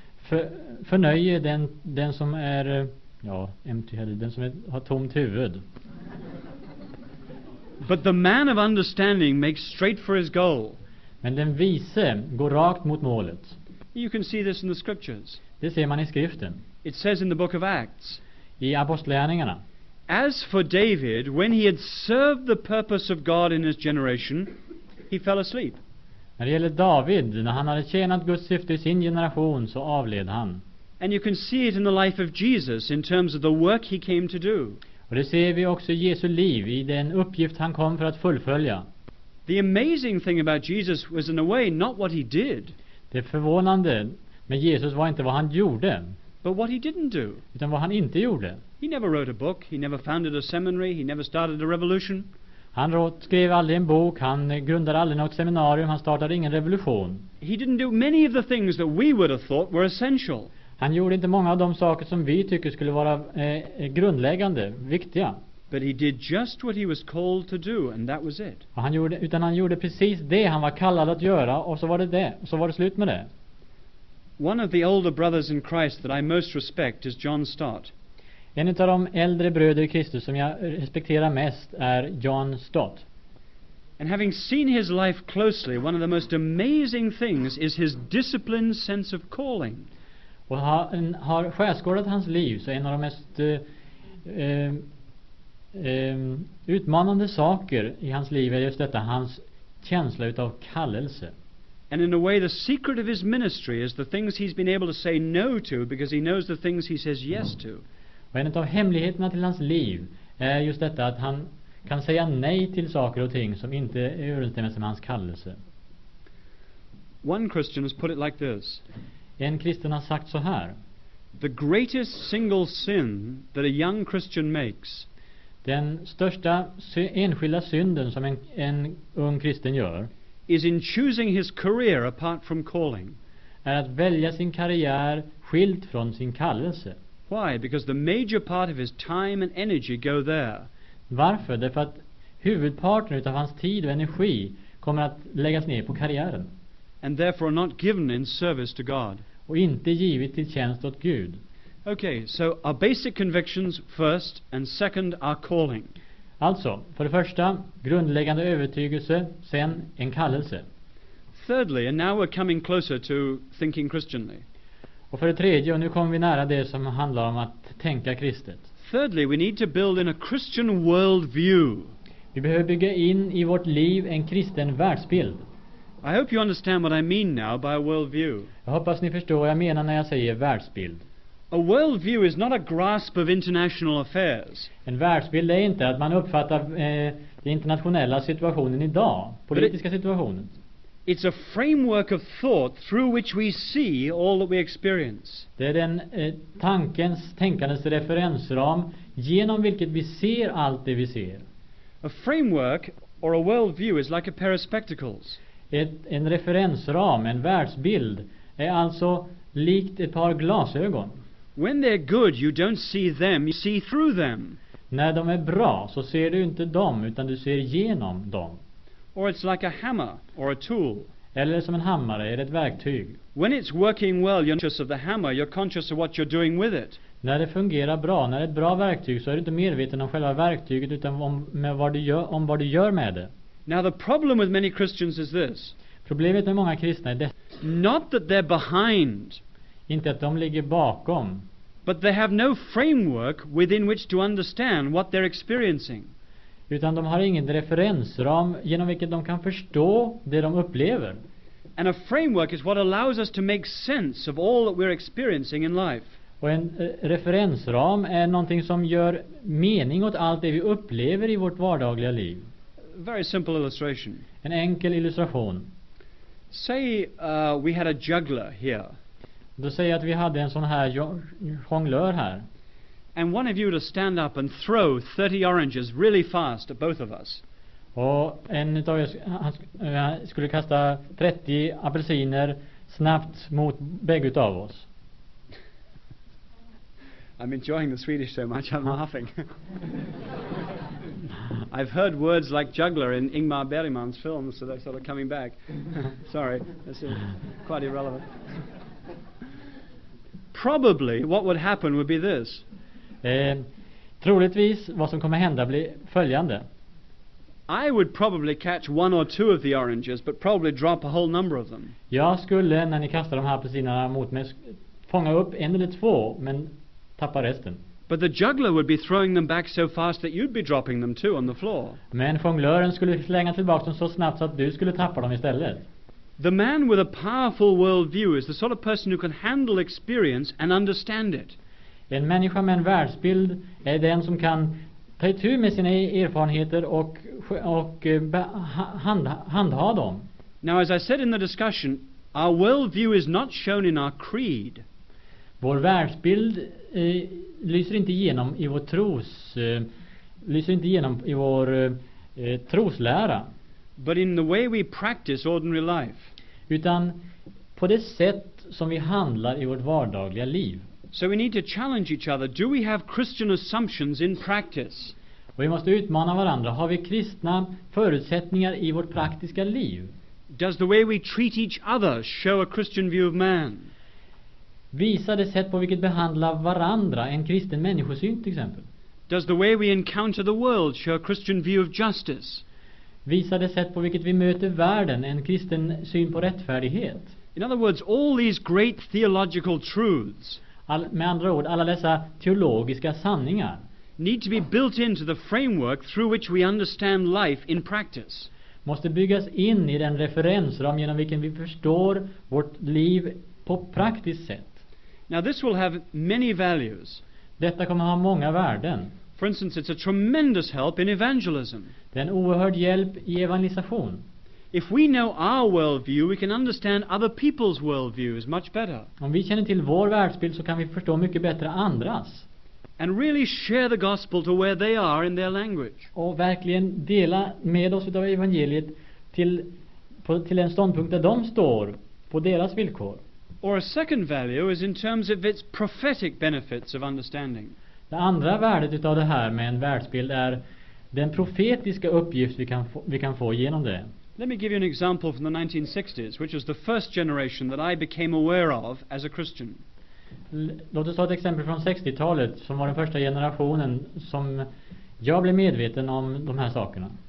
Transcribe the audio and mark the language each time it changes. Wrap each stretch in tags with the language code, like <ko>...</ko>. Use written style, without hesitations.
<sv>Dårskap förnöjer den som är</sv> <en>empty-headed,</en> <sv>den som har tomt huvud.</sv> <en>But the man of understanding makes straight for his goal.</en> <sv>Men den vise går rakt mot målet.</sv> <en>You can see this in the scriptures.</en> <sv>Det ser man i skriften.</sv> <en>It says in the book of Acts.</en> <sv>I apostlärningarna.</sv> <en>As for David, when he had served the purpose of God in his generation, he fell asleep.</en> <sv>När det gäller David, när han hade tjänat Guds syfte i sin generation, så avled han.</sv> <en>And you can see it in the life of Jesus in terms of the work he came to do.</en> <sv>Och det ser vi också i Jesu liv, i den uppgift han kom för att fullfölja.</sv> <en>The amazing thing about Jesus was in a way not what he did.</en> <sv>Det förvånande med Jesus var inte vad han gjorde.</sv> <en>But what he didn't do.</en> <sv>Utan vad han inte gjorde.</sv> <en>He never wrote a book, he never founded a seminary, he never started a revolution.</en> <sv>Han skrev aldrig en bok, han grundade aldrig något seminarium, han startade ingen revolution.</sv> <en>He didn't do many of the things that we would have thought were essential.</en> <sv>Han gjorde inte många av de saker som vi tycker skulle vara grundläggande, viktiga.</sv> <en>But he did just what he was called to do and that was it.</en> <sv>Och han gjorde precis det han var kallad att göra och så var det slut med det.</sv> <en>One of the older brothers in Christ that I most respect is John Stott.</en> <sv>En av de äldre bröder i Kristus som jag respekterar mest är John Stott.</sv> <en>And having seen his life closely, one of the most amazing things is his disciplined sense of calling.</en> <sv>Och har skärskådat hans liv så en av de mest utmanande saker i hans liv är just detta, hans känsla utav kallelse.</sv> <en>And in a way the secret of his ministry is the things he's been able to say no to because he knows the things he says yes to.</en> <sv>Och en av hemligheterna till hans liv är just detta att han kan säga nej till saker och ting som inte är överensstämmelse med hans kallelse.</sv> <en>One Christian has put it like this.</en> <sv>En kristen har sagt så här.</sv> <en>The greatest single sin that a young Christian makes.</en> <sv>Den största enskilda synden som en ung kristen gör.</sv> <en>Is in choosing his career apart from calling.</en> <sv>Är att välja sin karriär skilt från sin kallelse.</sv> <en>Why? Because the major part of his time and energy go there.</en> <sv>Varför? Därför att huvudparten av hans tid och energi kommer att läggas ner på karriären.</sv> <en>And therefore not given in service to God.</en> <sv>Och inte givet till tjänst åt Gud.</sv> <en>Okay, so our basic convictions first and second are calling.</en> <sv>Alltså, för det första, grundläggande övertygelse, sen en kallelse.</sv> <en>Thirdly, and now we're coming closer to thinking Christianly.</en> <sv>Och för det tredje, och nu kommer vi nära det som handlar om att tänka kristet.</sv> <en>Thirdly, we need to build in a Christian worldview.</en> <sv>Vi behöver bygga in i vårt liv en kristen världsbild.</sv> <en>I hope you understand what I mean now by a worldview.</en> <sv>Jag hoppas ni förstår vad jag menar när jag säger världsbild.</sv> <en>A worldview is not a grasp of international affairs.</en> <sv>En världsbild är inte att man uppfattar den internationella situationen idag, politiska situationen.</sv> <en>It's a framework of thought through which we see all that we experience.</en> <sv>Det är den tankens tänkandes referensram genom vilket vi ser allt det vi ser.</sv> <en>A framework or a worldview is like a pair of spectacles.</en> <sv>En referensram, en världsbild, är alltså likt ett par glasögon.</sv> <en>When they're good, you don't see them, you see through them.</en> <sv>När de är bra så ser du inte dem utan du ser genom dem.</sv> <en>Or it's like a hammer or a tool.</en> <sv>Eller som en hammare eller ett verktyg.</sv> <en>When it's working well, you're conscious of the hammer, you're conscious of what you're doing with it.</en> <sv>När det fungerar bra, när det är ett bra verktyg, så är du inte medveten om själva verktyget utan om vad du gör med det.</sv> <en>Now the problem with many Christians is this.</en> <sv>Problemet med många kristna är det.</sv> <en>Not that they're behind.</en> <sv>Inte att de ligger bakom.</sv> <en>But they have no framework within which to understand what they're experiencing.</en> <sv>Utan de har ingen referensram genom vilket de kan förstå det de upplever.</sv> <en>And a framework is what allows us to make sense of all that we're experiencing in life.</en> <sv>Och en referensram är någonting som gör mening åt allt det vi upplever i vårt vardagliga liv.</sv> <en>Very simple illustration.</en> <sv>En enkel illustration.</sv> <en>Say we had a juggler here.</en> <sv>Då säger att vi hade en sån här jonglör här.</sv> <en>And one of you to stand up and throw 30 oranges really fast at both of us.</en> <sv>Och en av er skulle kasta 30 apelsiner snabbt mot bägge utav oss.</sv> <en>I'm enjoying the Swedish so much, I'm laughing. I've heard words like juggler in Ingmar Bergman's film, so they're sort of coming back. Sorry, this is quite irrelevant. Probably what would happen would be this.</en> <sv>Troligtvis vad som kommer hända blir följande.</sv> <en>I would probably catch one or two of the oranges, but probably drop a whole number of them.</en> <sv>Jag skulle, när ni kastar de här apelsinerna mot mig, fånga upp en eller två, men tappa resten.</sv> <en>But the juggler would be throwing them back so fast that you'd be dropping them too on the floor.</en> <sv>Men fånglören skulle slänga tillbaka dem så snabbt så att du skulle tappa dem istället.</sv> <en>The man with a powerful worldview is the sort of person who can handle experience and understand it.</en> <sv>En människa med en världsbild är den som kan ta itu med sina erfarenheter och handha dem.</sv> <en>Now as I said in the discussion, our worldview is not shown in our creed.</en> <sv>Vår världsbild lyser inte igenom i vår troslära.</sv> <en>But in the way we practice ordinary life.</en> <sv>Utan på det sätt som vi handlar i vårt vardagliga liv.</sv> <en>So we need to challenge each other. Do we have Christian assumptions in practice?</en> <sv>Och vi måste utmana varandra. Har vi kristna förutsättningar i vårt praktiska liv?</sv> <en>Does the way we treat each other show a Christian view of man?</en> <sv>Visar det sätt på vilket behandlar varandra en kristen människosyn till exempel?</sv> <en>Does the way we encounter the world show a Christian view of justice?</en> <sv>Visar det sätt på vilket vi möter världen en kristen syn på rättfärdighet?</sv> <en>In other words, all these great theological truths.</en> <sv>Med andra ord, alla dessa teologiska sanningar.</sv> <en>Need to be built into the framework through which we understand life in practice.</en> <sv>Måste byggas in i den referensram genom vilken vi förstår vårt liv på praktiskt sätt.</sv> <en>Now this will have many values.</en> <sv>Detta kommer ha många värden.</sv> <en>For instance, it's a tremendous help in evangelism.</en> <sv>Det är en oerhörd hjälp i evangelisation.</sv> <en>If we know our worldview, we can understand other people's worldviews much better.</en> <sv>Om vi känner till vår världsbild så kan vi förstå mycket bättre andras.</sv> <en>And really share the gospel to where they are in their language.</en> <sv>Och verkligen dela med oss utav evangeliet till en ståndpunkt där de står på deras villkor.</sv> <en>Or a second value is in terms of its prophetic benefits of understanding.</en> <sv>Det andra värdet utav det här med en världsbild är den profetiska uppgift vi kan få genom det.</sv> <en>Let me give you an example from the 1960s, which was the first generation that I became aware of as a Christian.</en> <sv>Låt oss ta ett exempel från 60-talet som var den första generationen som jag blev medveten om de här sakerna.</sv>